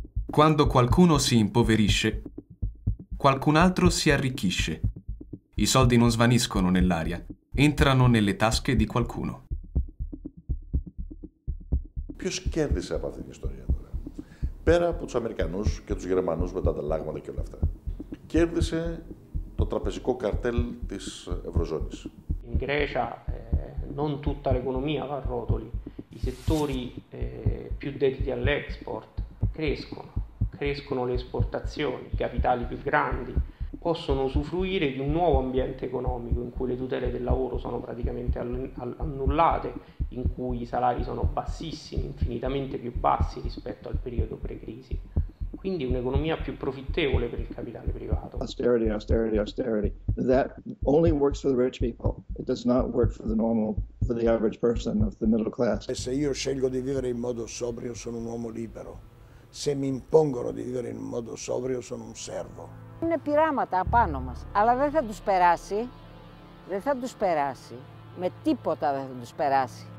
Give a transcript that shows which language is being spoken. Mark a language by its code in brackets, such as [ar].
[it] Quando qualcuno si impoverisce, qualcun altro si arricchisce. I soldi non svaniscono nell'aria, entrano nelle tasche di qualcuno. [el] Ποιος κέρδισε από αυτήν την ιστορία τώρα, πέρα από τους Αμερικανούς και τους Γερμανούς με τα ανταλλάγματα και όλα αυτά? Κέρδισε το τραπεζικό καρτέλ της Ευρωζώνης. [it] In Grecia non tutta l'economia va a rotoli. I settori più dediti all'export crescono. Crescono le esportazioni, i capitali più grandi possono usufruire di un nuovo ambiente economico in cui le tutele del lavoro sono praticamente annullate, in cui i salari sono bassissimi, infinitamente più bassi rispetto al periodo pre-crisi. Quindi un'economia più profittevole per il capitale privato. [en] Austerity, austerity, austerity. That only works for the rich people. It does not work for the normal, for the average person of the middle class. [it] E se io scelgo di vivere in modo sobrio, sono un uomo libero. Se mi impongono di vivere in modo sobrio, sono un servo. [el] Είναι πειράματα απάνω μας, αλλά δεν θα τους περάσει. Δεν θα τους περάσει. Με τίποτα δεν θα τους περάσει.